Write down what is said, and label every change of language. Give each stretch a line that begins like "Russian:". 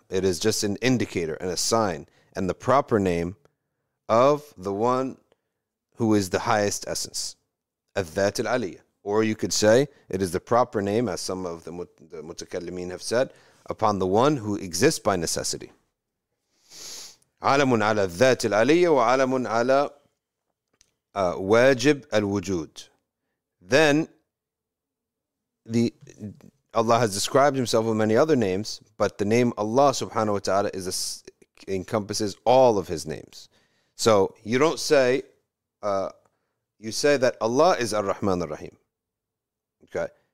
English: It is just an indicator and a sign and the proper name of the one who is the highest essence.
Arabic: الذات العليا.
English: Or you could say it is the proper name, as some of the mutakallimeen have said, upon the one who exists by necessity.
Arabic: عالم على الذات العليا وعالم على واجب الوجود.
English: Then the Allah has described himself with many other names, but the name Allah subhanahu wa ta'ala encompasses all of his names. So you don't say, you say that Allah is Ar-Rahman Ar-Rahim. Okay?